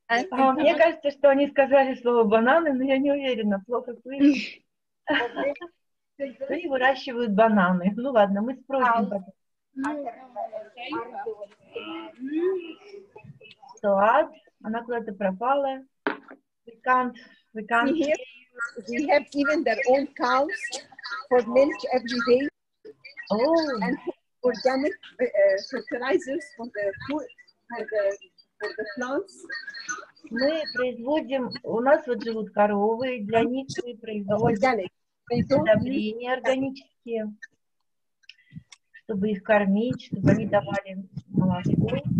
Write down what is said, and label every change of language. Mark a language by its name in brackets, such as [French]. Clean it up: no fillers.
[Russian] Но мне кажется, что они сказали слово бананы, но я не уверена, плохо слышу. Они выращивают бананы. Ну ладно, мы спросим. Суад, она куда-то пропала. [English] We can't. We have even their own cows for milk every day. Oh. And organic fertilizers for the food, for the plants. [Russian] Мы производим, у нас вот живут коровы, для них мы производим удобрения органические, чтобы их кормить, чтобы они давали молоко.